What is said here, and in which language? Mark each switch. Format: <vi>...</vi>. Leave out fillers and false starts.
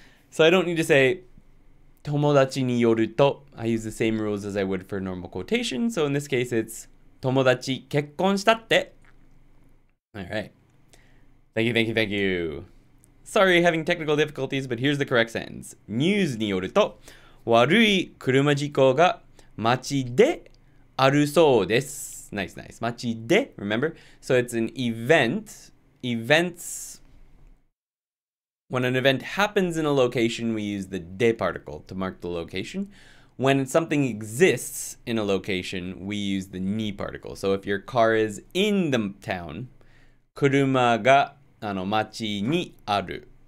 <en>So I don't need to say</en> <ja>友達によると.</ja> <en>I use the same rules as I would for normal quotation. So in this case, it's</en> <ja>友達結婚したって.</ja> <en>All right. Thank you. Sorry, having technical difficulties, but here's the correct sentence.</en> <ja>News によると, 悪い車事故が街であるそうです.</ja> <en>Nice. 街で, remember? So it's an event. Events, when an event happens in a location, we use the de particle to mark the location. When something exists in a location, we use the ni particle. So if your car is in the town,</en> <ja>車が街にある.</ja>